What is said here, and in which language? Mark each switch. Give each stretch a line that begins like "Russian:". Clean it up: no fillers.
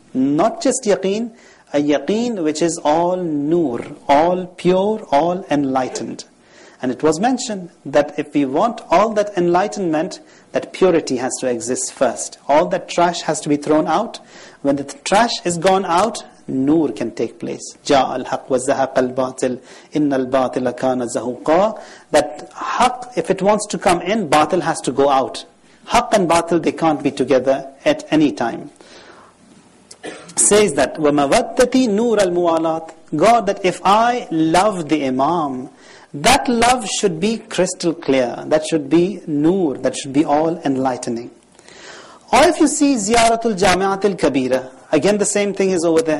English: Not just yaqeen, a yaqeen which is all نور, all pure, all enlightened. And it was mentioned that if we want all that enlightenment, that purity has to exist first. All that trash has to be thrown out. When the trash is gone out, نور can take place.
Arabic: جاء الحق وزهق الباطل إن الباطل كان زهوقا.
English: That حق, if it wants to come in, باطل has to go out. حق and باطل, they can't be together at any time. Says that
Arabic: ومودتي نور الموالات.
English: God, that if I love the Imam, that love should be crystal clear. That should be نور. That should be all enlightening. Or if you see Ziyaratul Jamiatul Kabira, again the same thing is over there.